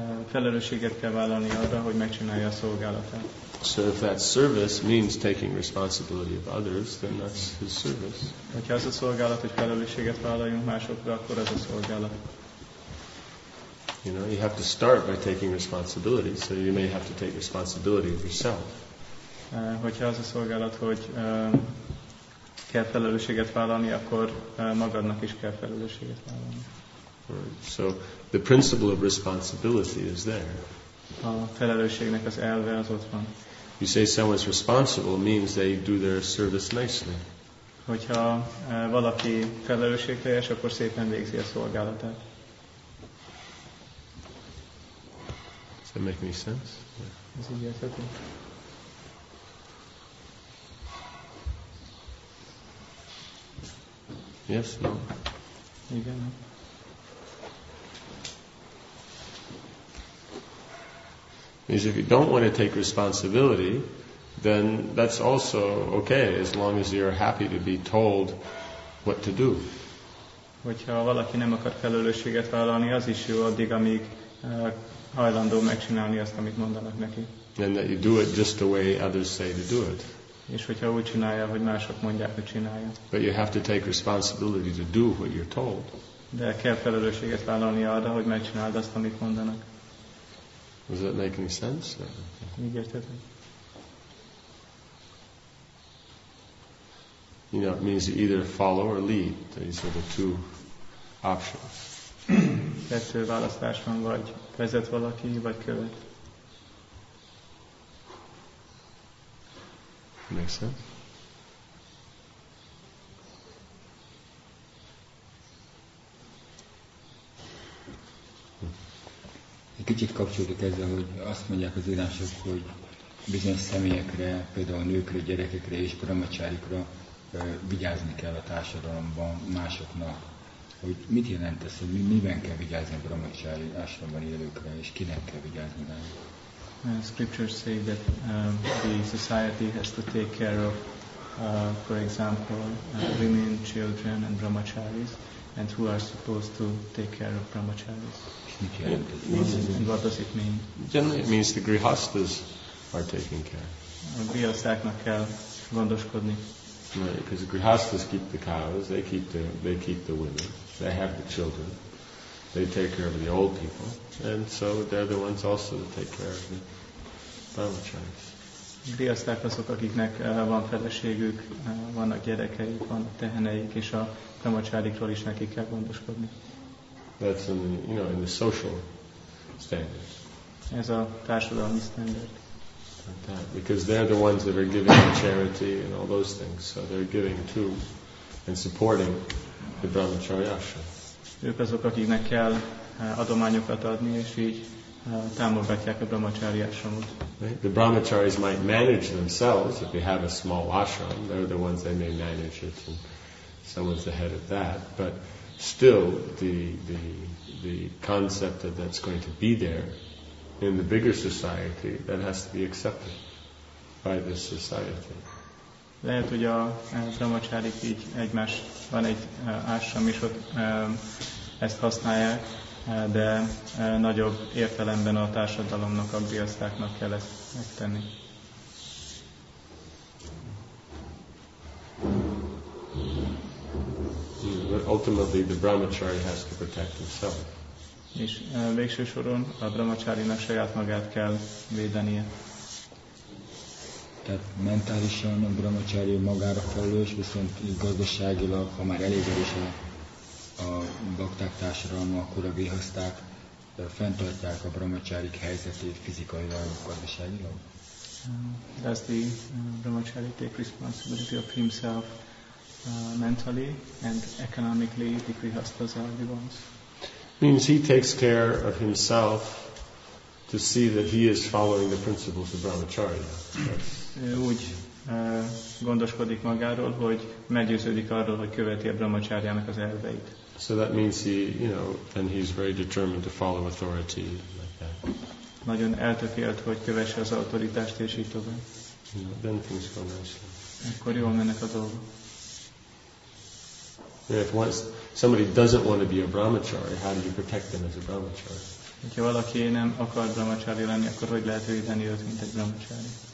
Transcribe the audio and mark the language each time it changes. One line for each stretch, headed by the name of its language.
Hungarian: Felelősséget kell vállalni arra, hogy megcsinálja a szolgálatát.
English: So if that service means taking responsibility of others, then that's his service.
Hungarian: Hogyha az a szolgálat, hogy felelősséget vállaljunk másokra, akkor az a szolgálat.
English: You know, you have to start by taking responsibility, so you may have to take responsibility of yourself.
Hungarian: Hogyha az a szolgálat, hogy kell felelősséget vállalni, akkor magadnak is kell felelősséget vállalni.
English: Right. So the principle of responsibility is there.
Hungarian: A felelősségnek az elve az ott van.
English: You say someone's responsible means they do their service nicely.
Hungarian: Hogyha valaki felelősségteljes, akkor szépen végzi a szolgálatát.
English: Does that make any sense? Yeah. Yes, okay. Yes, no. Again, no. Means if you don't want to take responsibility, then that's also okay, as long as you're happy to be told what to do.
Hungarian: Hogyha valaki nem akar felelősséget vállalni, az is jó, addig amíg hajlandó megcsinálni azt, amit mondanak neki.
English: And that you do it just the way others say to do it.
Hungarian: És hogyha úgy csinálja, hogy mások mondják, hogy csinálja.
English: But you have to take responsibility to do what you're told.
Hungarian: De kell felelősséget vállalni arra, hogy megcsináld azt, amit mondanak.
English: Does that make any sense?
Hungarian: Így értetek.
English: You know, it means you either follow or lead. These are the two options.
Hungarian: Kettő választás van, vagy vezet valaki, vagy követ.
English: Make sense?
Hungarian: Egy kicsit kapcsolódik ezzel, hogy azt mondják az írások, hogy bizonyos személyekre, például nőkre, gyerekekre és brahmacharikra vigyázni kell a társadalomban másoknak. Hogy mit jelent ez, hogy miben kell vigyázni a brahmacsári ásramban élőkre, és kinek kell vigyázni rá?
English: Scriptures say that the society has to take care of, for example, women, children and brahmacharis, and who are supposed to take care of brahmacharis. And what does it mean? Generally it means the grihasthas are taking care.
Hungarian: A grihasztáknak kell gondoskodni.
English: Right, because the grihasthas keep the cows, they keep the women, they have the children, they take care of the old people, and so they're the ones also to take care of the brahmacharis.
Hungarian: Grihaszták azok, akiknek van feleségük, vannak gyerekeik, van teheneik, és a brahmacharikról is nekik kell gondoskodni.
English: That's in the, you know, in the social standards.
Hungarian: Ez a társadalmi standard.
English: like that, because they're the ones that are giving the charity and all those things, so they're giving to and supporting the brahmacharya ashram.
Hungarian: Ők azok, akiknek kell adományokat adni, és így támogatják a brahmacharya ashramot.
English: The brahmacharis might manage themselves if they have a small ashram. They're the ones that may manage it, and someone's the head of that. But still, the concept that that's going to be there in the bigger society, that has to be accepted by this society.
Hungarian: Lehet, hogy a brahmacharik így egymás, van egy ashram, és ott ezt használják, de nagyobb értelemben a társadalomnak, a griasztáknak kell ezt megtenni.
English: But ultimately the brahmachari has to protect himself.
Hungarian: És végső soron a brahmacharinak saját magát kell védenie. Tehát mentálisan a brahmacharya magára felelős, viszont gazdaságilag, ha már elég erős a bakták társadalma, akkor a grihaszták fenntartják a brahmacharik helyzetét fizikailag, gazdaságilag.
English: Does the brahmachari take responsibility of himself mentally and economically, the grihasthas are the ones? Means he takes care of himself to see that he is following the principles of brahmacharya.
Hungarian: Úgy gondoskodik magáról, hogy meggyőződik arról, hogy követi a brahmacharyának az elveit.
English: So that means he, you know, and he's very determined to follow authority like that.
Hungarian: Nagyon eltökélt, hogy kövesse az autoritást és így tovább.
English: Then things go nicely.
Hungarian: Akkor jól mennek a dolgok.
English: If once somebody doesn't want to be a brahmachari, how do you protect them as a brahmachari?
Hungarian: Hogyha valaki nem akar brahmachari lenni, akkor hogy lehet védeni őt, mint egy brahmachari?